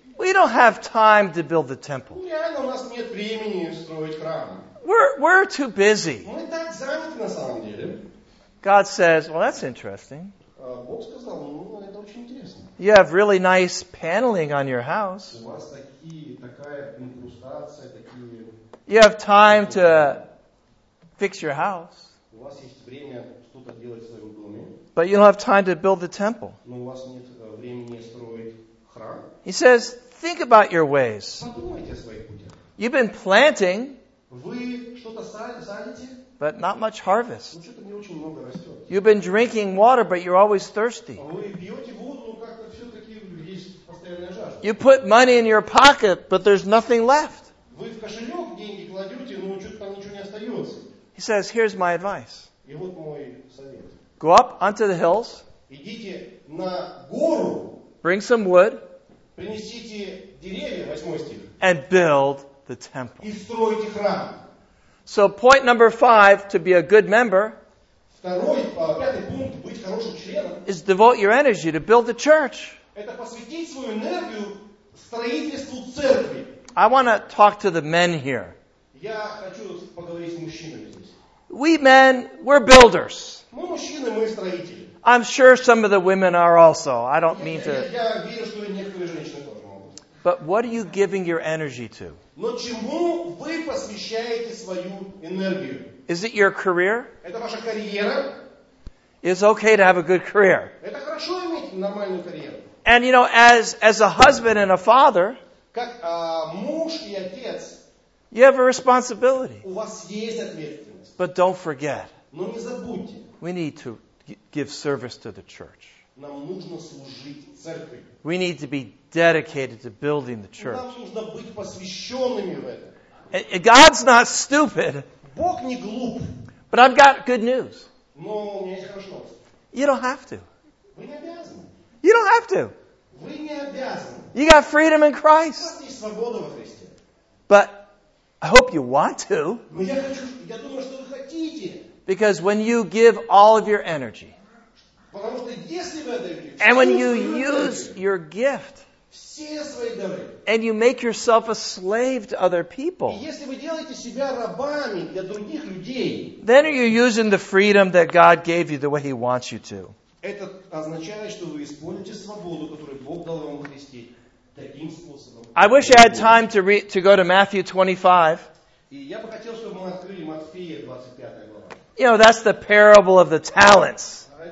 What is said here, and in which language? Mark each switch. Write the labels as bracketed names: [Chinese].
[English] we don't have time to build the temple. [Russian] Реально у нас нет времени строить храм. [English] We're too busy. [Russian] Мы так заняты на самом деле. [English] God says, well, that's interesting. [Russian] Бог сказал, это очень интересно. [English] You have really nice paneling on your house. [Russian] У вас такая инкрустация, такие. [English] You have time to fix your house. [Russian] У вас есть время что-то делать в своем доме. [English] But you don't have time to build the temple. [Russian] Но у вас нет времени строить храм. [English] He says, think about your ways. [Russian] Подумайте о своих путях. [English] You've been planting. [Russian] Вы что-то садите. [English] But not much harvest. [Russian] Ну, что-то не очень много растет. [English] You've been drinking water, but you're always thirsty. [Russian] Вы пьете воду, но как-то все-таки есть постоянная жажда. [English] You put money in your pocket, but there's nothing left. [Russian] Вы в кошелек деньги кладете, но что-то там ничего не остается. [English] He says, here's my advice. [Russian] И вот мой совет. [English] Go up onto the hills. [Russian] Идите на гору. [English] Bring some wood. [Russian] Принесите деревья, 8 стих. [English] And build the temple. [Russian] И стройте храм. [English] So point number 5 to be a good member. [Russian] Второй, пятый пункт, быть хорошим членом. [English] Is devote your energy to build the church. [Russian] Это посвятить свою энергию строительству церкви. [English] I want to talk to the men here. [Russian] Я хочу поговорить с мужчинами здесь. [English] We men, we're builders. [Russian] Мы мужчины, мы строители. [English] I'm sure some of the women are also. I don't mean to. [Russian] Я верю, что некоторые женщины тоже могут. [English] But what are you giving your energy to? [Russian] Но чему вы посвящаете свою энергию? [English] Is it your career? [Russian] Это ваша карьера? [English] It's okay to have a good career. [Russian] Это хорошо иметь нормальную карьеру. [English] And you know, as a husband and a father, [Russian] как, муж и отец, [English] you have a responsibility. [Russian] У вас есть ответственность. [English] But don't forget. [Russian] Но не забудьте. [English] We need to give service to the church. [Russian] Нам нужно служить церкви. [English] We need to be dedicated to building the church. [Russian] Нам нужно быть посвященными в это. [English] God's not stupid. [Russian] Бог не глуп. [English] But I've got good news. [Russian] Но у меня есть хорошая новость. [English] You don't have to. [Russian] Вы не обязаны. [English] You don't have to. [Russian] Вы не обязаны. [English] You got freedom in Christ. [Russian] У вас есть свобода во Христе. [English] But I hope you want to. [Russian] Но я хочу, я думаю, что вы хотите. [English] Because when you give all of your energy, [Russian] потому что если вы отдаете, [English] and when you use your gift, [Russian] все свои дары, [English] and you make yourself a slave to other people, [Russian] и если вы делаете себя рабами для других людей, [English] then are you using the freedom that God gave you the way He wants you to? [Russian] Это означает, что вы используете свободу, которую Бог дал вам в Христе, таким способом. [English] I wish I had time to go to Matthew 25. [Russian] И я бы хотел, чтобы мы открыли Матфея 25. [English] You know, that's the parable of the talents.